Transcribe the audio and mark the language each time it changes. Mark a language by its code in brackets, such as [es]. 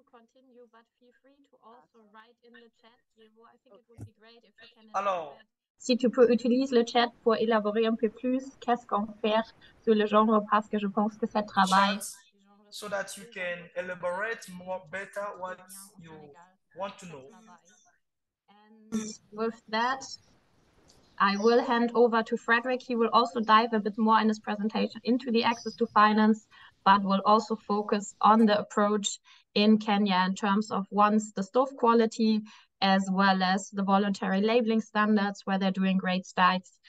[en] Continue, but feel free to also write in the chat. I think it would be great if you can. Hello. [fr] Si tu peux utiliser le chat pour élaborer un peu plus, qu'est-ce qu'on fait sur le genre, parce que je pense que ça travaille. [en] So that you can elaborate more better what you want to know. And with that, I will hand over to Frederick. He will also dive a bit more in his presentation into the access to finance, but will also focus on the approach in Kenya in terms of once the stove quality, as well as the voluntary labeling standards, where they're doing great strides.